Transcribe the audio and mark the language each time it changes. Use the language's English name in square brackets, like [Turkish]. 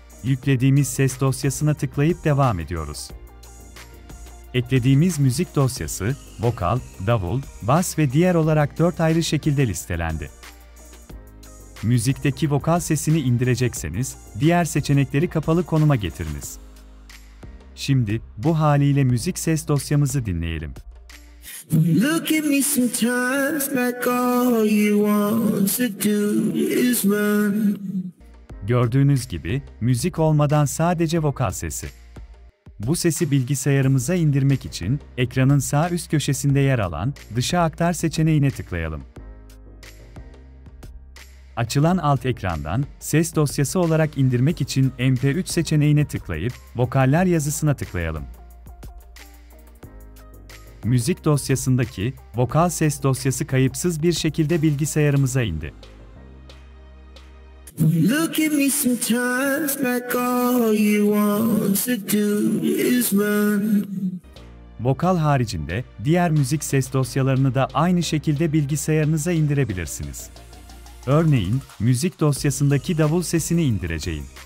[Turkish] Yüklediğimiz ses dosyasına tıklayıp devam ediyoruz. Eklediğimiz müzik dosyası, vokal, davul, bas ve diğer olarak 4 ayrı şekilde listelendi. Müzikteki vokal sesini indirecekseniz, diğer seçenekleri kapalı konuma getiriniz. Şimdi, bu haliyle müzik ses dosyamızı dinleyelim. [English] Look at me sometimes like all you want to do is run. [Turkish] Gördüğünüz gibi, müzik olmadan sadece vokal sesi. Bu sesi bilgisayarımıza indirmek için, ekranın sağ üst köşesinde yer alan dışa aktar seçeneğine tıklayalım. Açılan alt ekrandan, ses dosyası olarak indirmek için MP3 seçeneğine tıklayıp, vokaller yazısına tıklayalım. Müzik dosyasındaki vokal ses dosyası kayıpsız bir şekilde bilgisayarımıza indi. [English] Look at me sometimes like all you want to do is run. [Turkish] Vokal haricinde diğer müzik ses dosyalarını da aynı şekilde bilgisayarınıza indirebilirsiniz. Örneğin, müzik dosyasındaki davul sesini indireceğim.